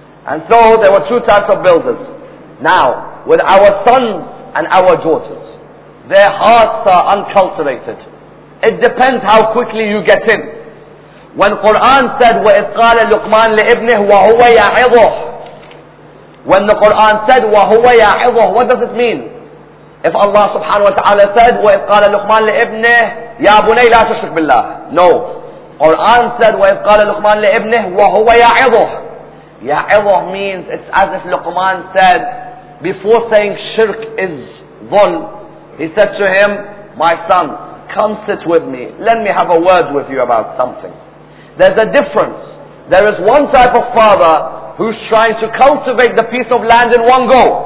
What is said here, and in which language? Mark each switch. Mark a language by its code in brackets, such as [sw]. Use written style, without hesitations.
[en] And so there were 2 types of builders. Now, with our sons and our daughters, their hearts are uncultivated. It depends how quickly you get in. When Quran said, [ar] وَإِذْ قَالَ لُقْمَانَ لِإِبْنِهِ وَهُوَ يَعِظُهُ, [en] when the Quran said, [ar] وَهُوَ يَعِظُهُ, [en] what does it mean? If Allah subhanahu wa ta'ala said, [ar] وَإِذْ قَالَ لُقْمَانَ لِإِبْنِهِ يَا بُنَيْ لَا تُشْرِكْ بِاللَّهِ, [en] no. Quran said, [ar] وَإِذْ قَالَ لُقْمَانَ لِإِبْنِهِ وَهُوَ يَعِظُهُ. [en] يَعِظُهُ means, it's as if Luqman said, before saying shirk is dhul, he said to him, my son, come sit with me. Let me have a word with you about something. There's a difference. There is one type of father who's trying to cultivate the piece of land in one go.